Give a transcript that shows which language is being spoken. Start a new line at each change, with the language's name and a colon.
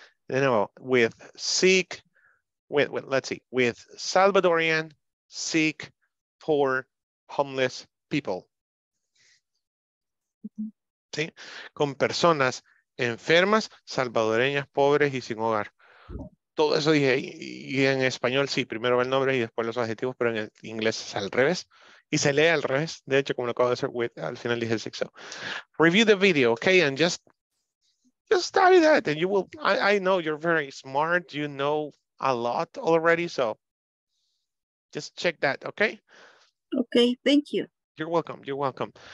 English: No, with sick, with Salvadorian, sick, poor, homeless people.
Spanish: Mm-hmm. ¿Sí? Con personas enfermas, salvadoreñas, pobres y sin hogar. Todo eso dije, y en español sí, primero el nombre y después los adjetivos, pero en el inglés es al revés. Y se lee al revés, de hecho, como lo acabo de hacer, with, al final dije sick. So.
English: Review the video, okay, and just study that and you will, I know you're very smart. You know a lot already. So Just check that, okay? Okay, thank you. You're welcome, you're welcome.